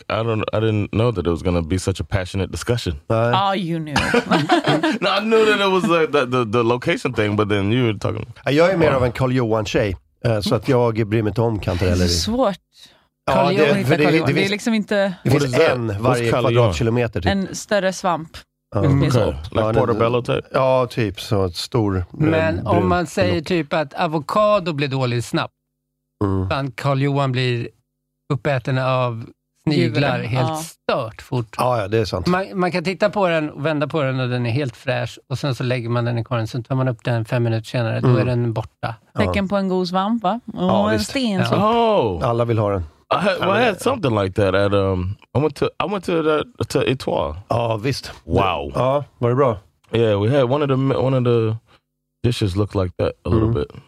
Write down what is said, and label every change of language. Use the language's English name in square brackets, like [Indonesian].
[English] I didn't know that it was going to be such a passionate discussion. Oh, you knew. No, I knew that it was like the location thing, but then you were talking. [Swedish] Jag är mer av en Carl Johan-tjej, så att jag bryr mig inte om kantareller. Det är svårt. Det är liksom inte... Det finns en varje kvadratkilometer. En större svamp. [English] Okay. Like portobello type? [Swedish] Ja, typ så ett stor... Men om man säger typ att avokado blir dålig snabbt, utan Carl Johan blir... uppätena av sniglar helt stört fort. Ja, det är sant. Man kan titta på den och vända på den och den är helt fräsch, och sen så lägger man den i korgen, sen tar man upp den 5 minuter senare, då är den borta. Tecken på en god svamp, va? Och en stensvamp. Alla vill ha den. [English] I had something like that at I went to Etoile. [Swedish] Ja, visst. [English] Wow. [Swedish] Ja, var det bra? [English] Yeah, we had one of the dishes looked like that a little bit.